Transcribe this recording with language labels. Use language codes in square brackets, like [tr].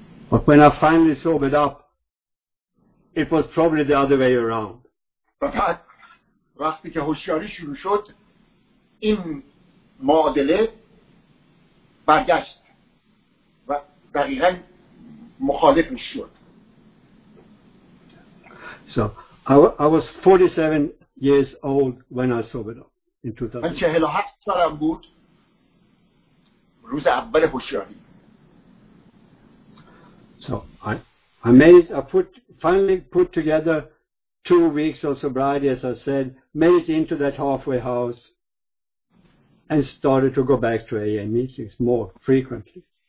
[en] But when I finally sobered up, it was probably the other way around. [fa] بعد وقتی که هوشیاری شروع شد، این معادله برگشت و دقیقاً مخالفش شد. [en] So I was 47 years old when I sobered up in 2000. [fa] من 47 سالم بود روز اول هوشیاری. [en] So I managed, I put finally put together 2 weeks of sobriety, as I said, made it into that halfway house and started to go back to AA meetings more frequently.